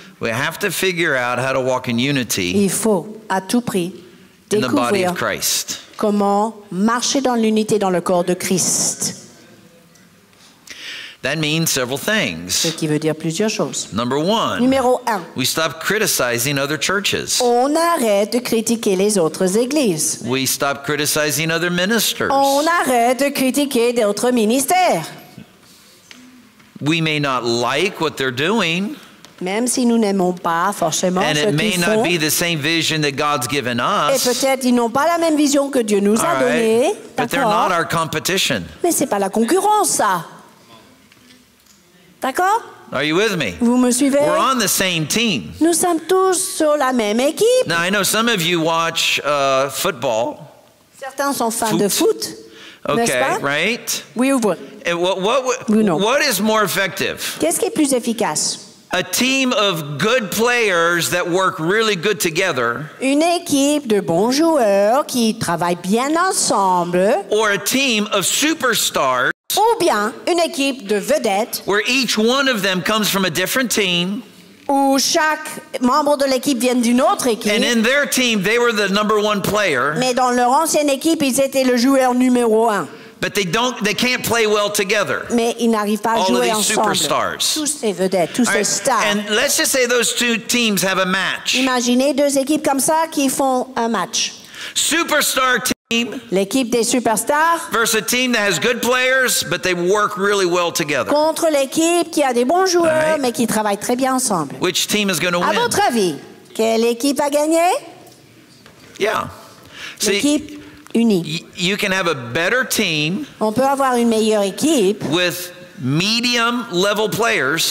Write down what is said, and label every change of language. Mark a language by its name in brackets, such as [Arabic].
[English] we have to figure out how to walk in unity. [French] Il faut à tout prix [English] in the body of Christ. [French] Comment marcher dans l'unité dans le corps de Christ? [English] That means several things. [French] Ce qui veut dire plusieurs choses. [English] Number one. [French] Numéro un. [English] We stop criticizing other churches. [French] On arrête de critiquer les autres églises. [English] We stop criticizing other ministers. [French] On arrête de critiquer d'autres ministères. [English] We may not like what they're doing. [French] Même si nous n'aimons pas forcément [English] and [French] ce qu'ils font. [English] And it may not be the same vision that God's given us. [French] Et peut-être ils n'ont pas la même vision que Dieu nous [English] All [French] a donnée. [English] Right. But they're not our competition. [French] Mais c'est pas la concurrence, ça. D'accord? [English] Are you with me? [French] Vous me suivez? [English] We're on the same team. [French] Nous sommes tous sur la même équipe. [English] Now I know some of you watch football. [French] Certains sont fans foot. De foot. [English] Okay, [French] n'est-ce pas? [English] Right? [French] Oui ou [English] what is more effective? [French] Qu'est-ce qui est plus efficace? [English] A team of good players that work really good together. [French] Une équipe de bons joueurs qui travaillent bien ensemble. [English] Or a team of superstars. [French] Ou bien une équipe de vedettes. [English] Where each one of them comes from a different team. [French] Où chaque membre de l'équipe vient d'une autre équipe. [English] And in their team, they were the number one player. [French] Mais dans leur ancienne équipe, ils étaient le joueur numéro un. [English] But they can't play well together. [French] Mais ils n'arrivent pas à [English] All [French] jouer [English] of these [French] ensemble. [English] Superstars. [French] Tous ces vedettes, tous [English] All right. [French] ces stars. [English] And let's just say those two teams have a match. [French] Imaginez deux équipes comme ça qui font un match. [English] Superstar team. [French] L'équipe des superstars [English] versus a team that has good players, but they work really well together. [French] Contre l'équipe qui a des bons joueurs, mais qui travaillent très bien ensemble. [English] Which team is going to win? [French] À votre avis, quelle équipe a gagné? [English] Yeah. [French] L'équipe unie. [English] You can have a better team. [French] On peut avoir une meilleure équipe. [English] With medium level players.